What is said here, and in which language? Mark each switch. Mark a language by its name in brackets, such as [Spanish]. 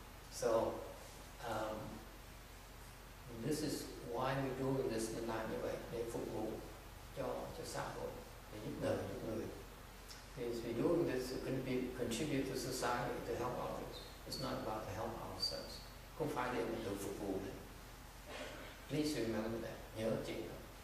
[English] So, this is why we're doing this in life, [Vietnamese] như vậy, để phục vụ cho xã hội, để giúp đỡ những người. [English] Because we're doing this to contribute to society, to help others. It's not about to help ourselves. [Vietnamese] Không phải để mình được phục vụ này. [English] Please remember that. [Vietnamese] Nhớ chuyện đó.